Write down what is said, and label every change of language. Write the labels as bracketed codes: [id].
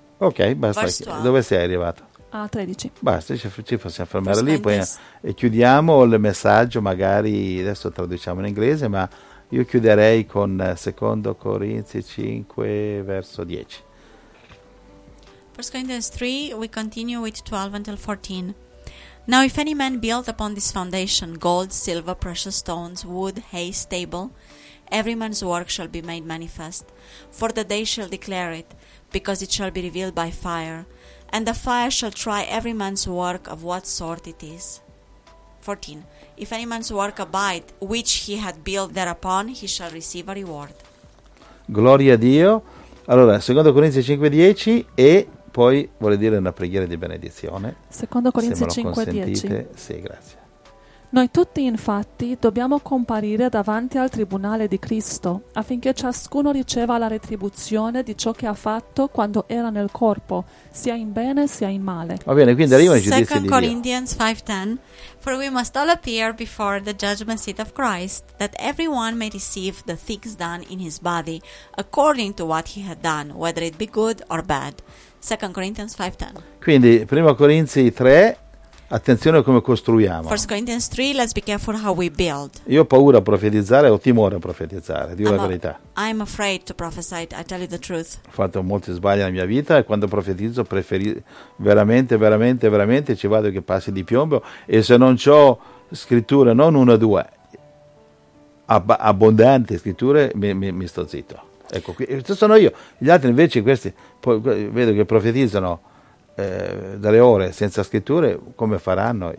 [it] Ok, basta. Dove sei arrivato? A 13. Basta, ci possiamo fermare lì, poi e chiudiamo il messaggio, magari adesso traduciamo in inglese, ma io chiuderei con Secondo Corinzi 5, verso 10. [en] First Corinthians 3, we continue with 12 until 14. Now if any man build upon this foundation gold, silver, precious stones, wood, hay, stubble, every man's work shall be made manifest, for the day shall declare it, because it shall be revealed by fire, and the fire shall try every man's work of what sort it is. 14. If any man's work abide, which he had built thereupon, he shall receive a reward. [it] Gloria a Dio. Allora, secondo Corinzi 5:10 e poi vuole dire una preghiera di benedizione. Secondo Corinzi 5:10. Sì, grazie. Noi tutti, infatti, dobbiamo comparire davanti al tribunale di Cristo, affinché ciascuno riceva la retribuzione di ciò che ha fatto quando era nel corpo, sia in bene sia in male. Va bene, quindi arriva il giudizio di Dio. [en] 2 Corinthians 5:10. For we must all appear before the judgment seat of Christ, that everyone may receive the things done in his body, according to what he had done, whether it be good or bad. 2 Corinthians 5:10. [it] Quindi, 1 Corinzi 3. Attenzione a come costruiamo. [en] First Corinthians 3, let's be careful how we build. [it] Io ho paura a profetizzare, ho timore a profetizzare, dico la verità. [en] I'm afraid to prophesy, I tell you the truth. [it] Ho fatto molti sbagli nella mia vita e quando profetizzo veramente ci vado che passi di piombo e se non c'ho scritture, non una o due, abbondanti scritture, mi sto zitto. Ecco qui, questo sono io. Gli altri invece, questi, poi, vedo che profetizzano dalle ore senza scritture, come faranno?